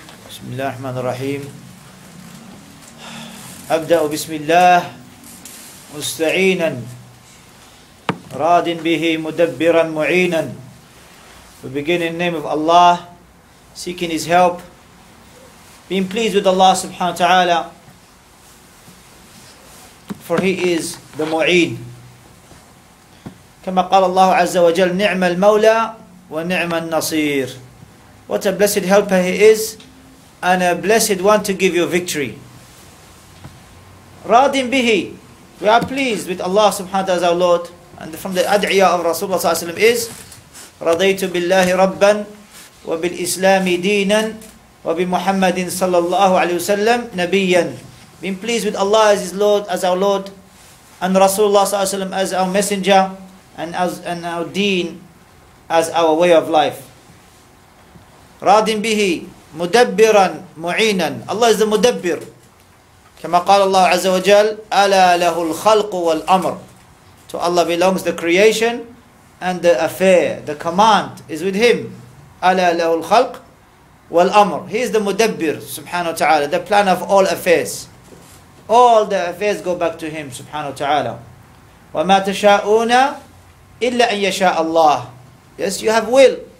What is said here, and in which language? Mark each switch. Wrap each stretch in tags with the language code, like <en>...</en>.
<ar>بسم الله الرحمن الرحيم، أبدأ بسم الله مستعينا راد به مدبرا معينا.</ar> <en>We begin in name of Allah, seeking His help, being pleased with Allah subhanahu wa ta'ala, for He is the mu'in.</en> <ar>كما قال الله عز وجل نعم المولى ونعم النصير.</ar> <en>What a blessed helper He is, and a blessed one to give you victory.</en> <ar>رَادٍ بِهِ.</ar> <en>We are pleased with Allah subhanahu wa ta'ala as our Lord. And from the adiyah of Rasulullah sallallahu alayhi wa sallam is</en> <ar>رَضَيْتُ بِاللَّهِ رَبًّا وَبِالْإِسْلَامِ دِينًا وَبِمُحَمَّدٍ صَلَّى اللَّهُ عَلَيْهُ وَسَلَّمْ نَبِيًّا.</ar> <en>Being pleased with Allah as His Lord, as our Lord, and Rasulullah sallallahu alayhi wa sallam as our messenger, and our deen as our way of life.</en> <ar>رَادٍ بِهِ مُدَبِّرًا مُعِينًا.</ar> <en>Allah is the mudabbir.</en> <ar>كما قال الله عز وجل أَلَا لَهُ الْخَلْقُ وَالْأَمْرُ.</ar> <en>So Allah belongs the creation and the affair, the command is with Him.</en> <ar>أَلَا لَهُ الْخَلْقُ وَالْأَمْرُ.</ar> <en>He is the mudabbir, subhanahu wa ta'ala, the plan of all affairs. All the affairs go back to Him, subhanahu wa ta'ala.</en> <ar>وَمَا تَشَاءُونَ إِلَّا أَن يَشَاءَ اللَّهُ.</ar> <en>Yes, you have will.</en>